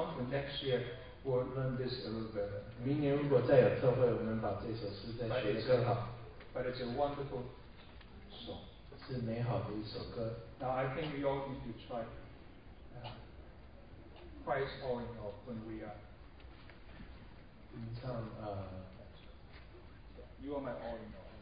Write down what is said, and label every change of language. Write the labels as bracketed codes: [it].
[en] next year we'll learn this a little better. [zh] 明年如果再有特会，我们把这首诗再学更好。 [en] But it's a wonderful song. [zh] 是美好的一首歌。 [en] Now I think we all need to try Christ all in all when we are. [zh] 我们唱 [en] You are my all in all.